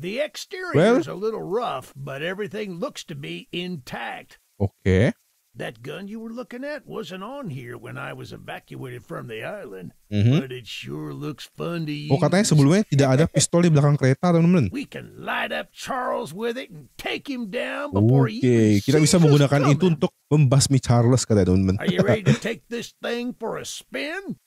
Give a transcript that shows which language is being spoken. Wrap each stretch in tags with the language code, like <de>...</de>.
<en>The exterior is a little rough, but everything looks to be intact. Oke. That gun you were looking at wasn't on here when I was evacuated from the island. But it sure looks fun to use.</en> <id>Oh, katanya sebelumnya tidak ada pistol di belakang kereta, teman-teman.</id> <en>We can light up Charles with it and take him down before he sees us.</en> <id>Oke, kita bisa menggunakan itu untuk membasmi Charles, katanya, teman-teman.</id> <en>Are you ready to take this thing for a spin?</en>